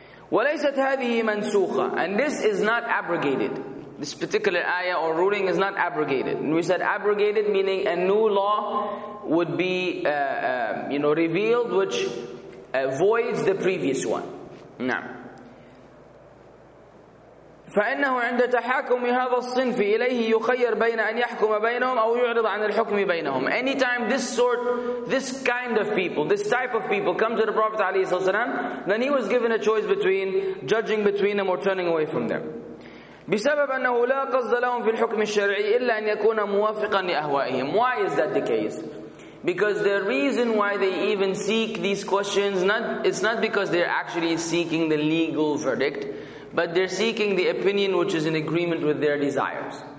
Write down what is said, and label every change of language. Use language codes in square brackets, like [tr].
[ar] وَلَيْسَتْ هَذِهِ مَنْسُوخَ. [en] And this is not abrogated. This particular ayah or ruling is not abrogated. And we said abrogated meaning a new law would be revealed which voids the previous one. [ar] نعم. فإنه عند تحاكم هذا الصنف إليه يخير بين أن يحكم بينهم أو يعرض عن الحكم بينهم. [en] Anytime this type of people come to the Prophet [ar] عليه الصلاة والسلام, [en] then he was given a choice between judging between them or turning away from them. [ar] بسبب أنه لا قصد لهم في الحكم الشرعي إلا أن يكون موافقا لأهوائهم. [en] Why is that the case? Because the reason why they even seek these questions, it's not because they're actually seeking the legal verdict, but they're seeking the opinion which is in agreement with their desires.